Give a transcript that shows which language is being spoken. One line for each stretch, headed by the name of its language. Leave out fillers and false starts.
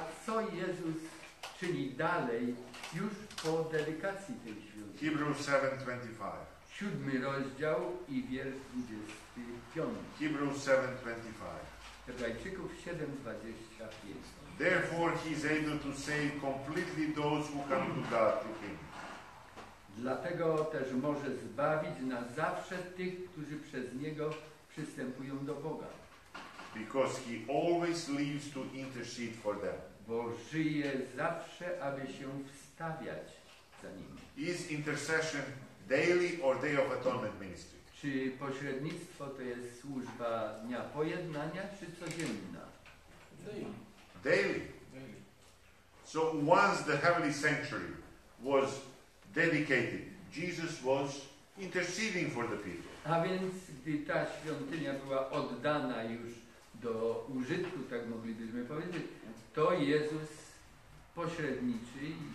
Polish: A co Jezus czyni dalej, już po dedykacji tej świątyni?
English: Hebrews 7:25.
Polish: Siódmy rozdział i wiersz 25.
English: Hebrews 7:25.
Polish: Hebrajczyków 7:25.
English: Therefore he is able to save completely those who come to God to him.
Polish: Dlatego też może zbawić na zawsze tych, którzy przez niego przystępują do Boga.
English: Because he always lives to intercede for them.
Polish: Bo żyje zawsze, aby się wstawiać za nimi.
English: His intercession daily or day of atonement ministry.
Polish: Czy pośrednictwo to jest służba dnia pojednania, czy codzienna?
English: Daily. So once the heavenly sanctuary was dedicated, Jesus was interceding for the people.
Polish: A więc gdy ta świątynia była oddana już do użytku, tak moglibyśmy powiedzieć, to Jezus pośredniczy.